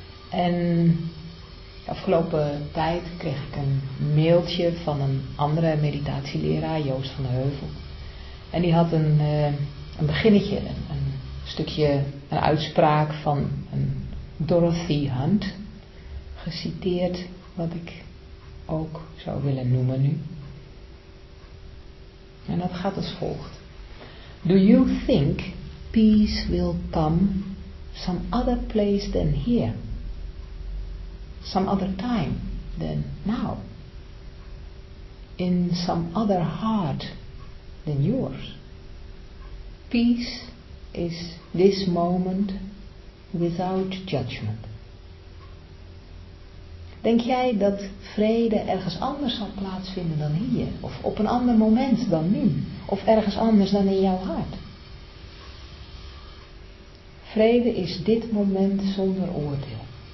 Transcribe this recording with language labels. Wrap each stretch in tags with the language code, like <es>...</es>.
<nl>En de afgelopen tijd kreeg ik een mailtje van een andere meditatieleraar, Joost van de Heuvel. En die had een beginnetje, een stukje, een uitspraak van een Dorothy Hunt geciteerd, wat ik ook zou willen noemen nu. En dat gaat als volgt.</nl> <en>Do you think peace will come some other place than here? Some other time than now? In some other heart than yours? Peace is this moment without judgment.</en> <nl>Denk jij dat vrede ergens anders zal plaatsvinden dan hier? Of op een ander moment dan nu? Of ergens anders dan in jouw hart? Vrede is dit moment zonder oordeel.</nl>